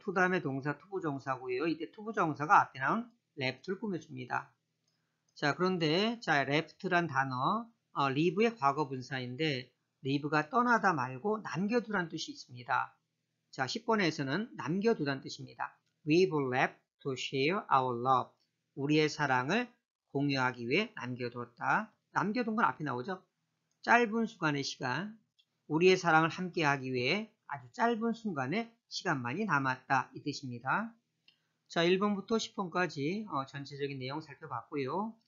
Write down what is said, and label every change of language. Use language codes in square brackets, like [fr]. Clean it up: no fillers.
[ko] to 다음에 동사, to 부정사고요. 이때 to 부정사가 앞에 나온 left를 꾸며줍니다. 자, 그런데 자, left란 단어, leave의 과거 분사인데, leave가 떠나다 말고 남겨두란 뜻이 있습니다. 자, 10번에서는 남겨두란 뜻입니다. [en] We've left to share our love. [ko] 우리의 사랑을 공유하기 위해 남겨두었다. 남겨둔 건 앞에 나오죠? 짧은 순간의 시간. 우리의 사랑을 함께 하기 위해 아주 짧은 순간의 시간만이 남았다. 이 뜻입니다. 자, 1번부터 10번까지 전체적인 내용 살펴봤고요.